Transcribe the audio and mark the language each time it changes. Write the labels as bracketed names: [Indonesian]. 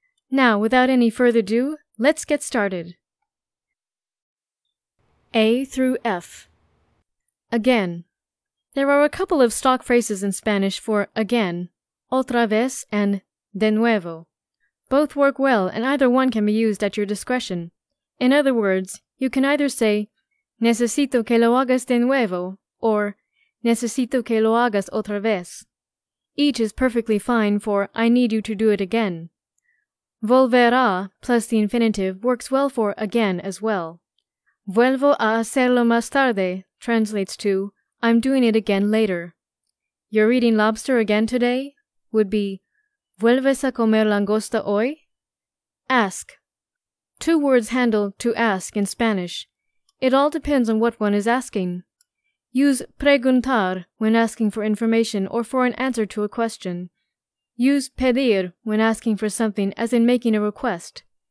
[English] Now, without any further ado, let's get started. A through F. Again. There are a couple of stock phrases in Spanish for again, [Spanish] otra vez [English] and [Spanish] de nuevo. [English] Both work well and either one can be used at your discretion. In other words, you can either say, [Spanish] necesito que lo hagas de nuevo, [English] or [Spanish] necesito que lo hagas otra vez. [English] Each is perfectly fine for I need you to do it again. Volverá plus the infinitive works well for again as well. [Spanish] Vuelvo a hacerlo más tarde [English] translates to I'm doing it again later. You're eating lobster again today? Would be [Spanish] ¿Vuelves a comer langosta hoy? [English] Ask. Two words handle to ask in Spanish. It all depends on what one is asking. Use preguntar when asking for information or for an answer to a question. Use pedir when asking for something as in making a request.